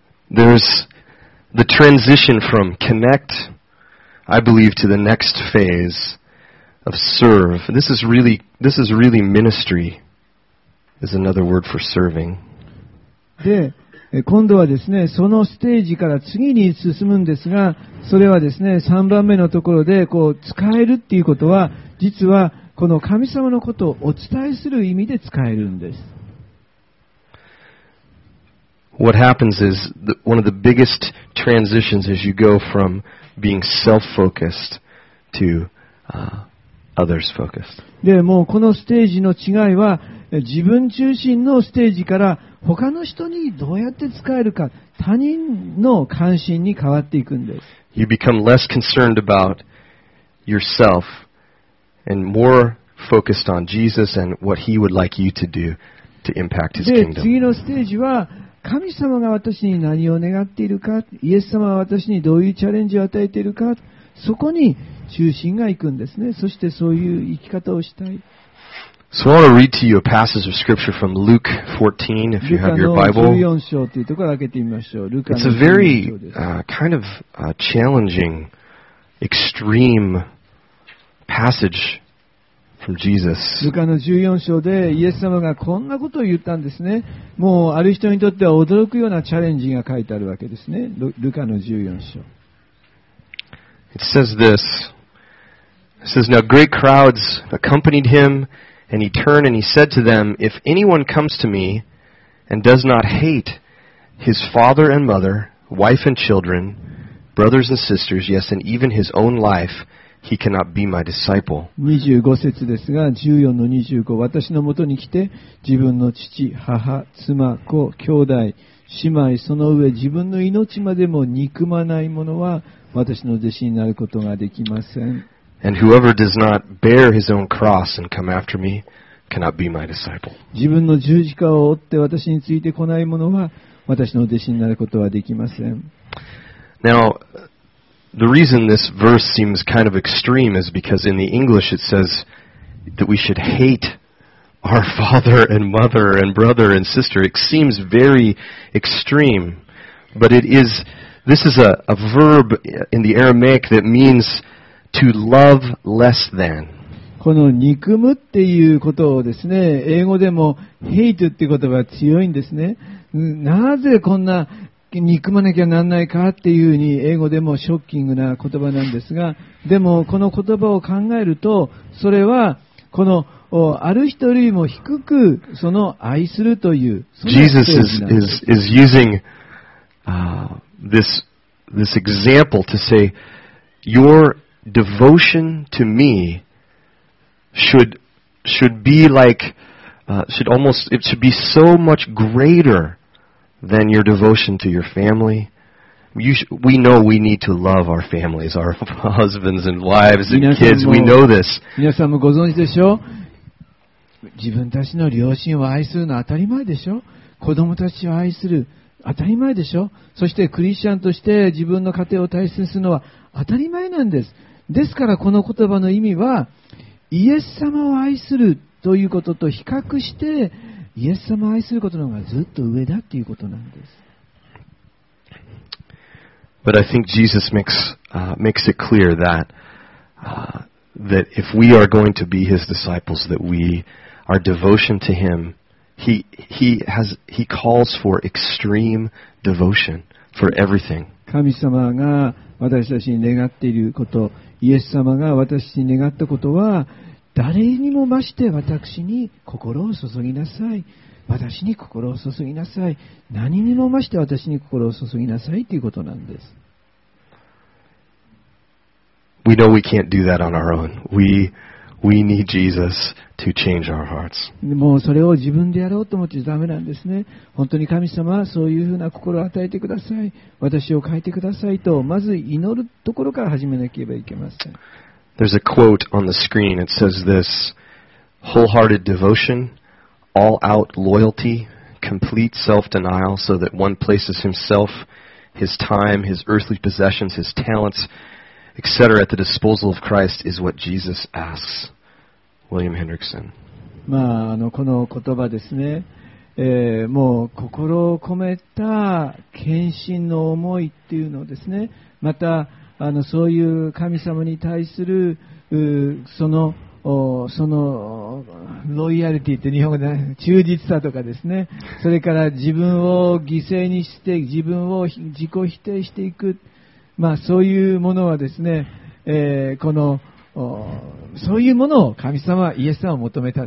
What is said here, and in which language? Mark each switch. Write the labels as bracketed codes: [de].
[en] There's the transition from connect, I believe, to the next phase. Of serve. This is really ministry. Is another word for serving. [ja] で、今度はですね、そのステージから次に進むんですが、それはですね、3番目のところでこう使えるっていうことは、実はこの神様のことをお伝えする意味で使えるんです。 [en] What happens is one of the biggest transitions as you go from being self-focused to, Others focused. [ja] で、もうこのステージの違いは、自分中心のステージから他の人にどうやって使えるか、他人の関心に変わっていくんです。 [en] You become less concerned about yourself and more focused on Jesus and what He would like you to do to impact His kingdom. [ja] で、次のステージは、神様が私に何を願っているか、イエス様は私にどういうチャレンジを与えているか、そこに中心が行くんですね。そしてそういう生き方をしたい。 [en] So I want to read to you a passage of scripture from Luke 14, if you have your Bible. [ja] ルカの14章というところを開けてみましょう。ルカの14章です。 [en] It's a very, kind of, challenging, extreme passage from Jesus. [ja] ルカの14章でイエス様がこんなことを言ったんですね。もうある人にとっては驚くようなチャレンジが書いてあるわけですね。ルカの14章。 [en] It says this. It says, Now great crowds accompanied him, and he turned and he said to them, If anyone comes to me and does not hate his father and mother, wife and children, brothers and sisters, yes, and even his own life, He cannot be my disciple. [ja] 25節ですが、14の25、私のもとに来て、自分の父、母、妻、子、兄弟、姉妹、その上、自分の命までも憎まない者は、私の弟子になることができません。 [en] And whoever does not bear his own cross and come after me cannot be my disciple. [ja] 自分の十字架を追って私についてこない者は、私の弟子になることはできません。 [en] Now,The reason this verse seems kind of extreme is because in the English it says that we should hate our father and mother and brother and sister. It seems very extreme. But it is, this is a verb in the Aramaic that means to love less than. [ja] この憎むっていうことをですね、英語でも hate っていう言葉は強いんですね。なぜこんな憎まなきゃなんないかっていうふうに英語でもショッキングな言葉なんですが、でもこの言葉を考えると、それはこのある人よりも低くその愛するという、 [en] Jesus is using this example to say your devotion to me should be like should almost it should be so much greaterthan your devotion to your family. We know we need to love our families, our husbands and wives and kids. We know this. [ja] 皆さんもご存知でしょう。自分たちの両親を愛するのは当たり前でしょう。子供たちを愛する当たり前でしょう。そしてクリスチャンとして自分の家庭を大切にするのは当たり前なんです。ですからこの言葉の意味は、イエス様を愛するということと比較して、イエス様を愛することの方がずっと上だっていうことなんです。 [en] But I think Jesus makes it clear that if we are going to be his disciples, that we our devotion to him, he calls for extreme devotion for everything. [ja] 神様が私たちに願っていること、イエス様が私に願ったことは、誰にも増して私に心を注ぎなさい。私に心を注ぎなさい。何にも増して私に心を注ぎなさいということなんです。 [en] We know we can't do that on our own. We need Jesus to change our hearts. [ja] もうそれを自分でやろうと思ってダメなんですね。本当に神様、そういうふうな心を与えてください。私を変えてくださいと、まず祈るところから始めなければいけません。 [en] There's a quote on the screen. It says this: wholehearted devotion, all-out loyalty, complete self-denial so that one places himself, his time, his earthly possessions, his talents, etc. at the disposal of Christ is what Jesus asks. William Hendrickson. [ja] まあ、この言葉ですね、もう心を込めた献身の思いっていうのをですね、またそういう神様に対するそのロイヤリティって日本語で忠実さとかですね、それから自分を犠牲にして自分を自己否定していく、まあ、そういうものはですね、このそういうものを神様はイエス様を求めた。